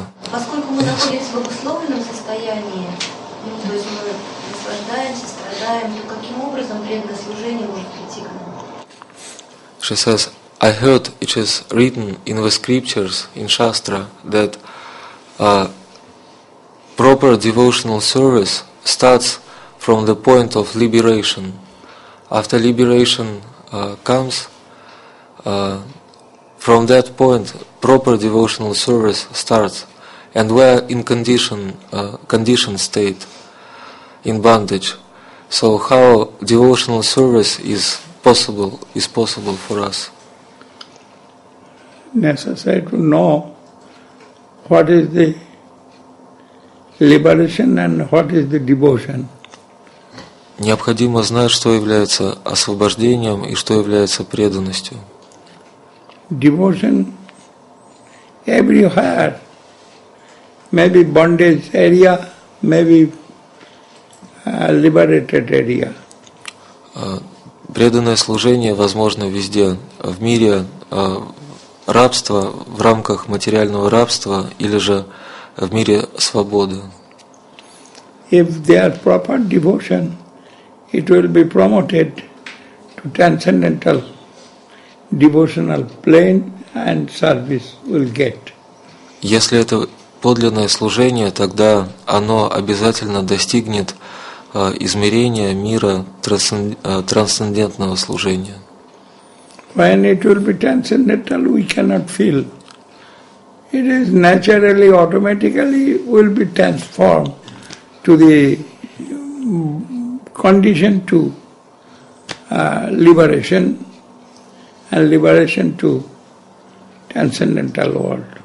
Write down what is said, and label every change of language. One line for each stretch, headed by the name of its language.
Russian: поскольку мы находимся в обусловленном состоянии, то есть мы наслаждаемся, страдаем, то каким образом преданное служение может прийти к нам?
English: She says, I heard it is written in the scriptures, in Shastra, that proper devotional service starts from the point of liberation. After liberation comes, from that point, proper devotional service starts. And we are in condition state, in bondage. So how devotional service is possible, is possible for us? Necessary to know what is the liberation and what is the devotion.
Russian: Необходимо знать, что является освобождением и что является преданностью.
English: Devotion everywhere, maybe bondage area, maybe liberated area.
Russian: Преданное служение возможно везде, в мире рабства, в рамках материального рабства или же в мире свободы.
English: If there is proper devotion, it will be promoted to transcendental devotional plane and service will get.
Russian: Если это подлинное служение, тогда оно обязательно достигнет измерения мира трансцендентного служения.
English: When it will be transcendental, we cannot feel. It is naturally, automatically will be transformed to the condition to liberation and liberation to transcendental world.